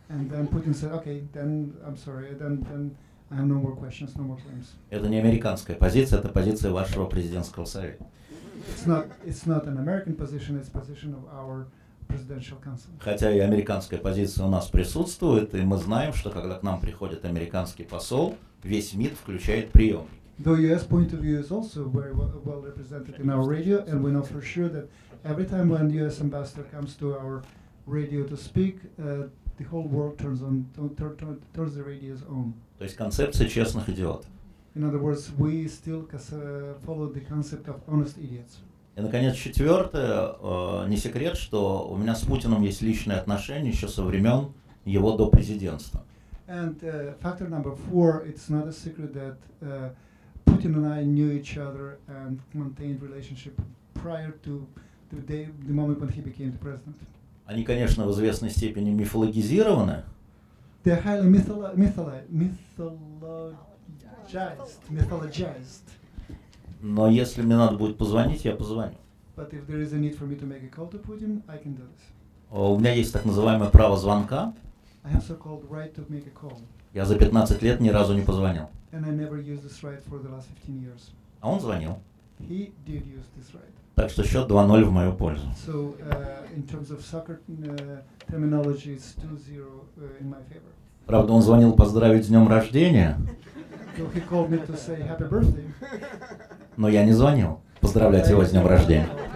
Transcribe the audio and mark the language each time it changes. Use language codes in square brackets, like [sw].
[en] And then Putin said, okay, then I'm sorry, then I have no more questions, no more claims. [ru] Это не американская позиция, это позиция вашего президентского совета. [en] It's not an American position, it's position of our presidential council. [ru] Хотя и американская позиция у нас присутствует, и мы знаем, что когда к нам приходит американский посол, весь МИД включает приемники. [en] The US point of view is also very well represented in our radio, and we know for sure that every time when the US ambassador comes to our radio to speak, the whole world turns the radio's on. [ru] То есть концепция честных идиотов. [en] In other words, we still follow the concept of honest idiots. [ru] И наконец четвертое, не секрет, что у меня с Путиным есть личные отношения еще со времен его до президентства. [en] And factor number four, it's not a secret that Putin and I knew each other and maintained relationship prior to the moment when he became the president. [ru] Они, конечно, в известной степени мифологизированы. [en] They're highly mythologized. [ru] Но если мне надо будет позвонить, я позвоню. [en] But if there is a need for me to make a call to Putin, I can do this. [ru] У меня есть так называемое право звонка. [en] I have so-called right to make a call. [ru] Я за 15 лет ни разу не позвонил. [en] And I never used this right for the last 15 years. [ru] А он звонил. [en] He did use this right. [ru] Так что счет 2-0 в мою пользу. [en] So, in terms of soccer terminology, it's 2-0 in my favor. [ru] Правда, он звонил поздравить с днем рождения. [en] So he called me to say happy birthday. [ru] Но я не звонил поздравлять его с днем рождения.